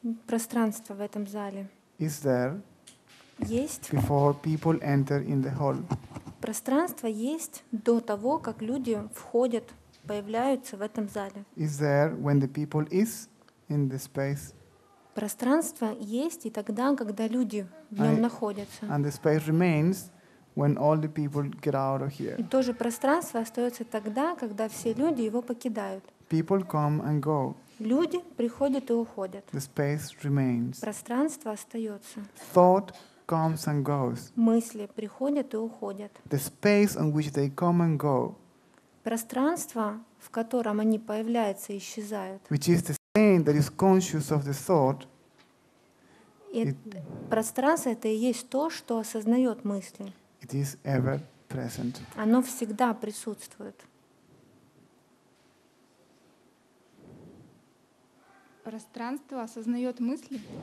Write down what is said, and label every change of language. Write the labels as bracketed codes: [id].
[ru] Пространство в этом зале. [en] Is there? [ru] Есть. [en] Before people enter in the hall. [ru] Пространство есть до того, как люди входят, появляются в этом зале. [en] Is there when the people is in the space? [ru] Пространство есть и тогда, когда люди в нем находятся. [en] And the space remains when all the people get out of here. [ru] И тоже пространство остается тогда, когда все люди его покидают. [en] People come and go. [ru] Люди приходят и уходят. [en] The space remains. [ru] Пространство остается. [en] Thought comes and goes. [ru] Мысли приходят и уходят. [en] The space on which they come and go. [ru] Пространство, в котором они появляются и исчезают. [en] Which is the thing that is conscious of the thought. [ru] Пространство — это и есть то, что осознает мысли. [en] It is ever present. [ru] Оно всегда присутствует. Пространство осознает мысли.